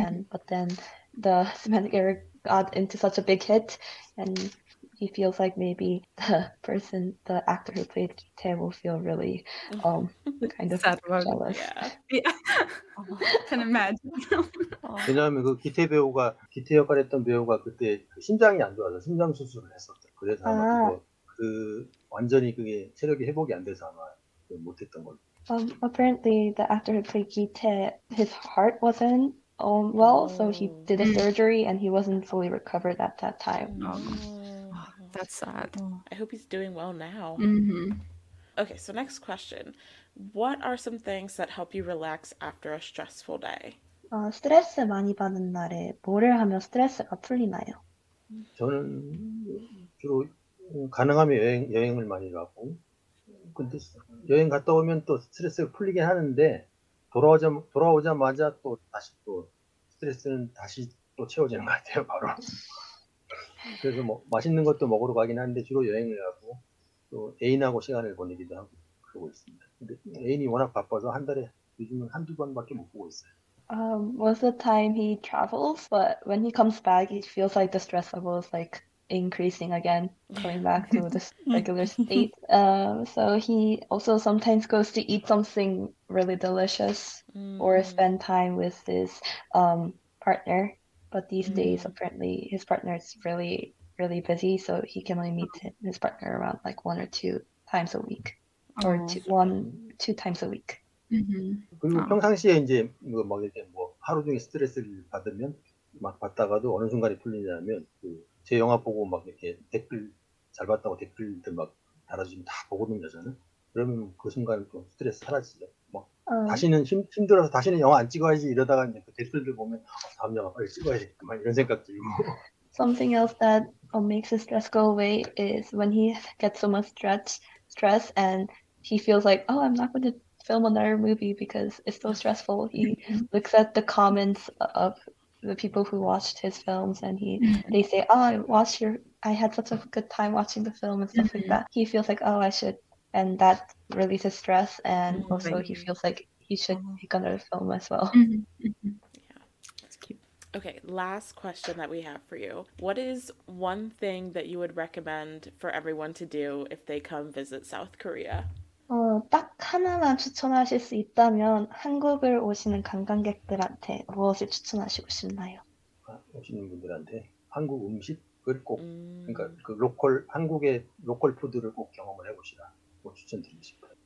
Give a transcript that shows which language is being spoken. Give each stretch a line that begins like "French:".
English: But then the Semantic Error got into such a big hit, and he feels like maybe the actor who played Kite will feel really kind of sad about jealous. Yeah. Can imagine.
Korean: 왜냐하면 그 기태 배우가 기태 역할했던 배우가 그때 심장이 안 좋아서 심장 수술을 했었죠. 그래서 아마 그 완전히 그게 체력이 회복이 안 돼서 아마 못했던 걸.
English: Apparently, the actor who played Kite, his heart wasn't. So he did a surgery and he wasn't fully recovered at that time. Oh, that's sad. I hope he's doing well now. Mm-hmm. Okay, so next question. What are some things that help you relax after a stressful day?
Korean: 스트레스 많이 받는 날에 뭐를 하면 스트레스가 풀리나요? 저는 주로 가능하면 여행을 많이 가고 근데 여행 갔다 오면 또 스트레스가 풀리긴 하는데 돌아오자마자 또 다시 또 스트레스는 다시 또 채워지는 것 같아요, 바로. 그래서 뭐 맛있는 것도 먹으러 가긴 하는데 주로 여행을 하고 또 애인하고 시간을 보내기도 하고 그러고 있습니다. 근데 애인이 워낙 바빠서 한 달에 요즘은 한두 번밖에 못 보고 있어요.
English: Most of the time he travels, but when he comes back, it feels like the stress level is like increasing again, going back to this regular state. So he also sometimes goes to eat something really delicious or spend time with his partner. But these days, apparently, his partner is really, really busy, so he can only meet his partner around like one or two times a week, or two times a week. Mm-hmm.
Korean: 그리고 평상시에 이제 뭐 막 이렇게 뭐 하루 종일 스트레스를 받으면 막 받다가도 어느 순간에 풀리냐면 그 제 영화 보고 막 이렇게 댓글 잘 봤다고 댓글들 막 달아주면 다 보거든요 저는. 그러면 그 순간 또 스트레스 사라지죠. 막 다시는 힘들어서 다시는 영화 안 찍어야지 이러다가 이제 그 댓글들 보면 다음 영화 빨리 찍어야지 막 이런 생각 들고.
English: Something else that makes his stress go away is when he gets so much stress and he feels like, oh, I'm not going to film another movie because it's so stressful. He looks at the comments of the people who watched his films, and they say, oh, I had such a good time watching the film and stuff like that. He feels like, oh, I should, and that releases stress, and also he feels like he should pick another film as well. Okay, last question that we have for you. What is one thing that you would recommend for everyone to do if they come visit South Korea?
Korean: 딱 하나만 추천하실 수 있다면 한국을 오시는 관광객들한테 무엇을 추천하시고 싶나요? 오시는 분들한테 한국 음식을 꼭, 그러니까 그 로컬, 한국의 로컬 푸드를 꼭 경험을 해보시라 뭐 추천드리고 싶어요.